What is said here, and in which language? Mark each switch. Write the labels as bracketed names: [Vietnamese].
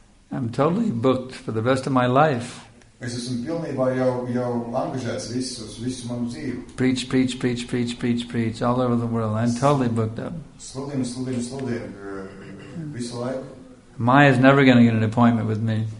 [English] I'm totally booked for the rest of my life. [Latvian] Es esmu pilnībā jau angažēts visu manu dzīvi. [English] Preach, preach, preach, preach, preach, preach, all over the world. I'm totally booked up. [Latvian] Sludinu, sludinu, sludinu, visu laiku. [English] Maya's never going to get an appointment with me.